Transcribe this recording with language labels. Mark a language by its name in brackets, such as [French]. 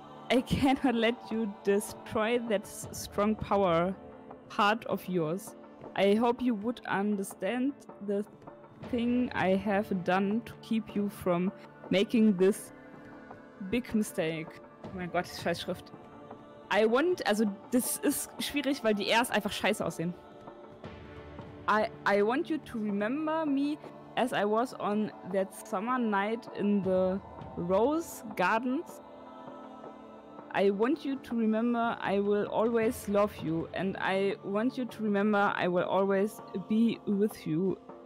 [English] I cannot let you destroy that strong power part of yours. I hope you would understand the thing I have done to keep you from making this big mistake. [German] Oh mein Gott, scheiß Schrift. [English] I want, [German] also das ist schwierig, weil die R's einfach scheiße aussehen. [English] I want you to remember me as I was on that summer night in the Rose Gardens. I want you to remember I will always love you and I want you to remember I will always be with you.